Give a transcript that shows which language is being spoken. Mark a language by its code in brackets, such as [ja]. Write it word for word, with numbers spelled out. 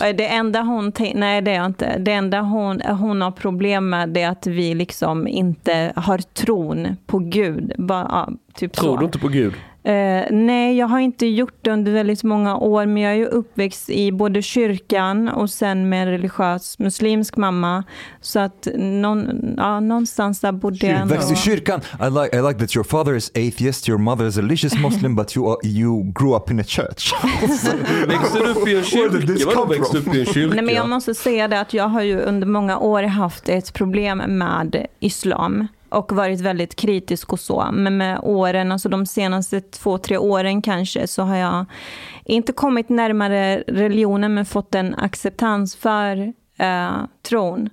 [sv] Eh, Det enda hon tän- nej det är jag inte. Det enda hon hon har problem med det är att vi liksom inte har tron på Gud. Bara, ja, typ så. Tror du inte på Gud? Eh, nej, jag har inte gjort det under väldigt många år, men jag är ju uppväxt i både kyrkan och sen med en religiös muslimsk mamma. Så att någon, ja, någonstans där bodde jag ändå. Växt i kyrkan. [en] I like I like that your father is atheist, your mother is a religious Muslim, but you are, you grew up in a church. [sv] Växte du upp i en [en] Where did this [sv] kyrka? Vadå [en] come [sv] växte [en] from? [sv] upp i en kyrka? Nej, men jag måste säga det att jag har ju under många år haft ett problem med islam och varit väldigt kritisk och så. Men med åren, alltså de senaste två, tre åren kanske, så har jag inte kommit närmare religionen men fått en acceptans för eh, tron.